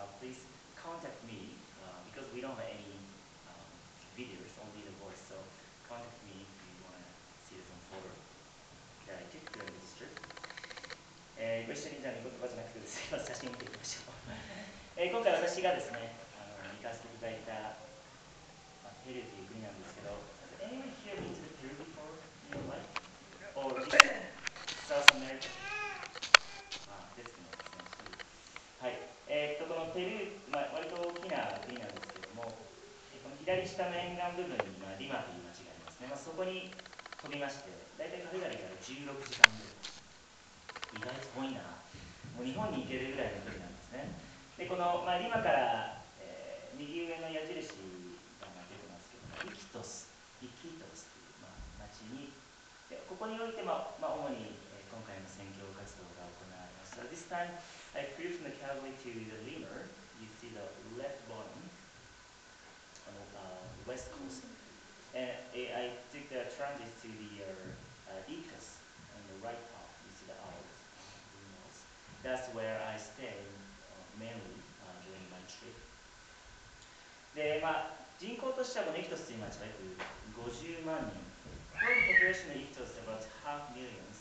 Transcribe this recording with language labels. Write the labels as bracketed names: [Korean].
[English] Please contact me because we don't have any videos, only the voice. So contact me if you want to see some photo that I took during this trip. [Japanese] ご一緒にじゃあ見言葉じゃなくてですね、まず写真見ていきましょう。今回私がですね、行かせていただいた、ペルーという国なんですけど、 [English] Has anyone here been to Peru before in your life? Or is South America? [Japanese] ですね、はい。このペルー、割と大きな国なんですけども、この左下の沿岸部分に、リマという町がありますね。そこに飛びまして、大体カルガリから16時間ぐらい。意外と遠いな。もう日本に行けるぐらいの距離なんですね。で、この、リマから、右上の矢印が出てますけど、イキトスという、町に、で、ここにおいて、主に今回の宣教活動が行われます。 [English] So this time, I flew from the Calvary to the Lima. You see the left bottom, on the west coast. And I took the transit to the Iquitos on the right top. You see the islandThat's where I stay mainly during my trip. [Japanese] で、人口としてはこのイキトスという町は約50万人。 [English] Current population of Iquitos is about half million.